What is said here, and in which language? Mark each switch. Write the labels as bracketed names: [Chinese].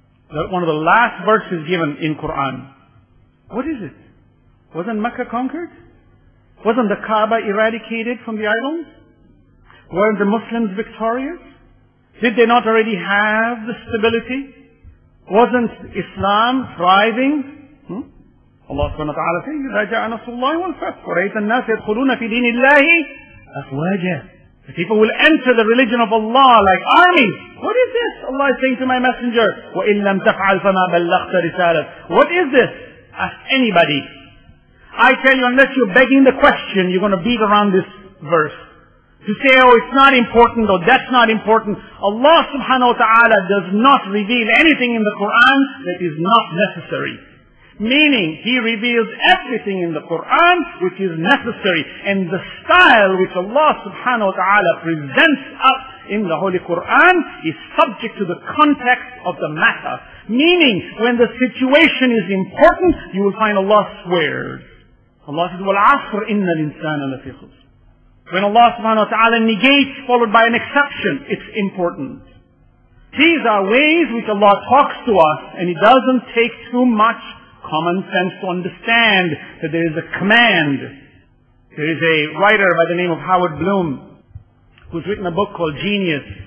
[English] That one of the last verses given in Quran. What is it? Wasn't Mecca conquered? Wasn't the Kaaba eradicated from the islands? Weren't the Muslims victorious? Did they not already have the stability? Wasn't Islam thriving? Allah subhanahu wa ta'ala says, [Arabic] إِذَا جَاءَ نَصْرُ اللَّهِ وَالْفَتْحُ وَرَأَيْتَ النَّاسَ يَدْخُلُونَ فِي دِينِ اللَّهِ أَفْوَاجًا. [English] The people will enter the religion of Allah like armies. What is this? Allah is saying to my messenger, [Arabic] وَإِن لَمْ تَفْعَلْ فَمَا بَلَّغْتَ رِسَالَةً. [English] What is this? Ask anybody. I tell you, unless you're begging the question, you're going to beat around this verse. To say, oh, it's not important, or that's not important. Allah subhanahu wa ta'ala does not reveal anything in the Quran that is not necessary. Meaning, He reveals everything in the Quran which is necessary. And the style which Allah subhanahu wa ta'ala presents up in the Holy Quran is subject to the context of the matter. Meaning, when the situation is important, you will find Allah swears. Allah says, [Arabic] وَالْعَصْرِ إِنَّ الْإِنسَانَ لَفِي خُسْرٍ. [English] When Allah subhanahu wa ta'ala negates, followed by an exception, it's important. These are ways which Allah talks to us, and it doesn't take too much common sense to understand that there is a command. There is a writer by the name of Howard Bloom, who's written a book called Genius.